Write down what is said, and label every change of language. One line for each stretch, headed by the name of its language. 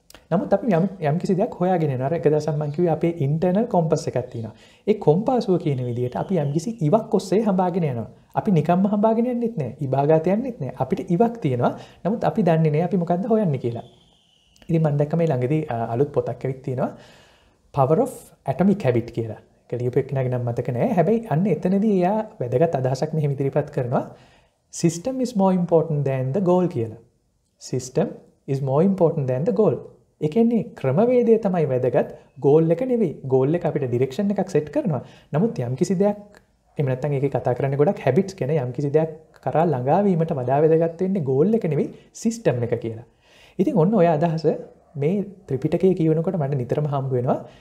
Sinhala: නමුත් අපි යම් කිසි දෙයක් හොයාගෙන යනවා. අර එකදාසම් මං කිව්වේ අපේ ඉන්ටර්නල් කොම්පස් එකක් තියෙනවා. ඒ කොම්පාසුව කියන විදිහට අපි යම් කිසි ඉවක් ඔස්සේ හඹාගෙන යනවා. අපි නිකම්ම හඹාගෙන යන්නෙත් නෑ. ඉබාගත යන්නෙත් නෑ. අපිට ඉවක් තියෙනවා. නමුත් අපි දන්නේ නෑ අපි මොකද්ද හොයන්නේ කියලා. ඉතින් මම දැක්ක මේ ළඟදී අලුත් පොතක් ඇවිත් තියෙනවා. Power of Atomic Habit කියලා. ඒක ලියපු එක්කෙනාගේ නම් මතක නෑ. හැබැයි අන්න එතනදී එයා වැදගත් අදහසක් මෙහෙම ඉදිරිපත් කරනවා.
English: System is more important than the goal
Sinhala: කියලා.
English: System is more important than the goal.
Sinhala: ඒ කියන්නේ ක්‍රමවේදය තමයි වැදගත්. ගෝල් එක නෙවෙයි. ගෝල් එක අපිට ඩිරෙක්ෂන් එකක් සෙට් කරනවා. නමුත් යම්කිසි දෙයක් එහෙම නැත්නම් ඒකේ කතා කරන්නේ ගොඩක් හැබිට්ස් ගැන. යම්කිසි දෙයක් කරා ළඟා වීමට වඩා වැදගත් වෙන්නේ ගෝල් එක නෙවෙයි සිස්ටම් එක කියලා. ඉතින් ඔන්න ඔය අදහස මේ ත්‍රිපිටකයේ කියවනකොට මට නිතරම හම්බ වෙනවා.